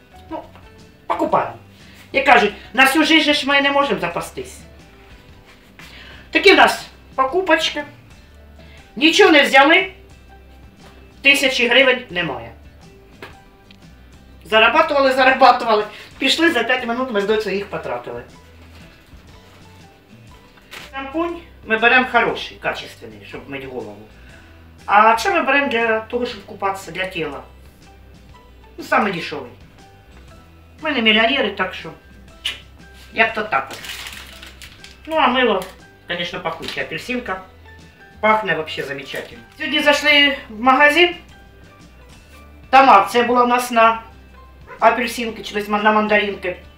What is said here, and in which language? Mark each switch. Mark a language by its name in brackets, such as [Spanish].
[Russian] Ну, покупаем. Я кажу, на всю жизнь мы не можем запастись. Такие у нас покупочки. Ничего не взяли. 1000 гривен немає. Зарабатывали, зарабатывали. [Ukrainian] Пішли за 5 минут, ми з дочкою їх потратили. Шампунь ми беремо хороший, качественний, щоб мити голову. А це ми беремо для того, щоб купатися, для тіла. Ну, саме дешевий. Ми не мільйонери, так що... Як-то так. Ну, а мило, звісно, пахуче. Апельсинка пахне взагалі замечательно. Сьогодні зайшли в магазин. Там акція була у нас на... апельсинки, чи десь на мандаринки.